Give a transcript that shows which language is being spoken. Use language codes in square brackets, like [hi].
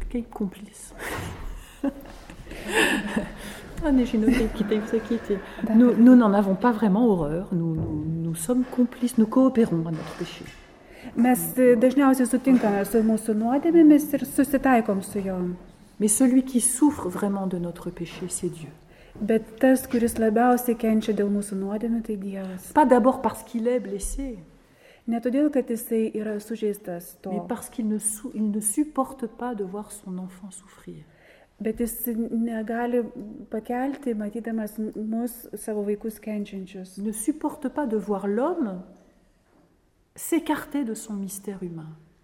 [fr] Complices. Ah, mais j'ai noté quitter. Nous n'en avons pas vraiment horreur. Nous sommes complices, nous coopérons à notre péché. [lt] Mes dažniausiai sutinkame su mūsų nuodėmėmis ir susitaikom su jom. [fr] Mais celui qui souffre vraiment de notre péché, c'est Dieu. [lt] Bet tas, kuris labiausiai kenčia dėl mūsų nuodėmių, tai Dievas. [fr] Pas d'abord parce qu'il est blessé. [lt] Ne todėl, kad jisai yra sužeistas to. [fr] Mais parce qu'il ne supporte pas de voir son enfant souffrir. [lt] Bet jis negali pakelti, matydamas mus, savo vaikus kenčiančius. [fr] Ne supporte pas de voir l'homme s'écarter de son mystère humain.